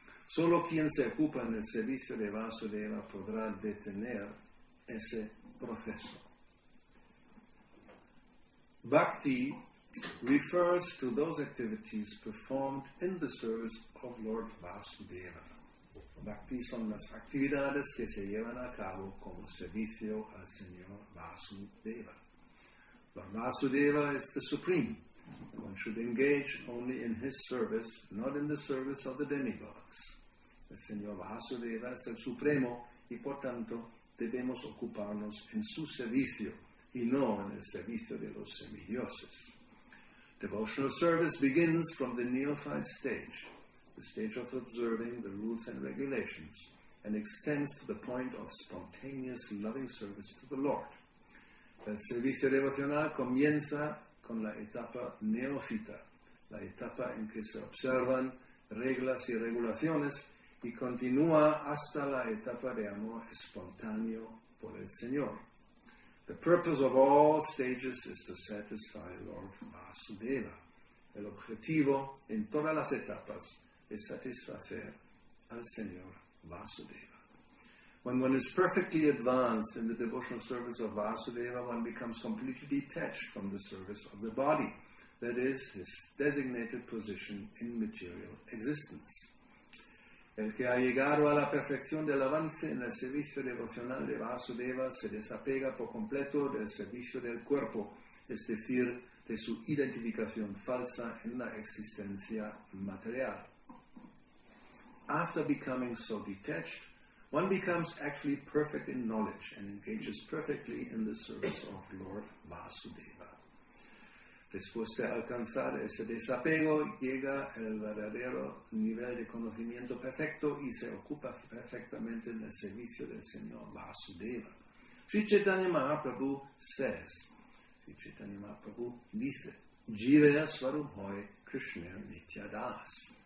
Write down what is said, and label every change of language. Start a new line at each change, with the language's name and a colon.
Spanish: Solo quien se ocupa en el servicio de Vasudeva podrá detener ese proceso.
English: Bhakti refers to those activities performed in the service of Lord Vasudeva.
Spanish: Bhakti son las actividades que se llevan a cabo como servicio al Señor Vasudeva.
English: Lord Vasudeva is the supreme. One should engage only in his service, not in the service of the demigods.
Spanish: El Señor Vasudeva es el supremo y por tanto debemos ocuparnos en su servicio y no en el servicio de los semidioses.
English: Devotional service begins from the neophyte stage, the stage of observing the rules and regulations, and extends to the point of spontaneous loving service to the Lord.
Spanish: El servicio devocional comienza con la etapa neófita, la etapa en que se observan reglas y regulaciones, y continúa hasta la etapa de amor espontáneo por el Señor.
English: The purpose of all stages is to satisfy Lord Vasudeva.
Spanish: El objetivo en todas las etapas es satisfacer al Señor Vasudeva.
English: When one is perfectly advanced in the devotional service of Vasudeva, one becomes completely detached from the service of the body, that is, his designated position in material existence.
Spanish: El que ha llegado a la perfección del avance en el servicio devocional de Vasudeva se desapega por completo del servicio del cuerpo, es decir, de su identificación falsa en la existencia material.
English: After becoming so detached, one becomes actually perfect in knowledge and engages perfectly in the service of Lord Vasudeva.
Spanish: Después de alcanzar ese desapego, llega el verdadero nivel de conocimiento perfecto y se ocupa perfectamente en el servicio del Señor Vasudeva.
English: Sri Chaitanya Mahaprabhu says, Sri Chaitanya Mahaprabhu dice,
Bangla: Jivaya Swarup Hoy Krishna Nitya Das.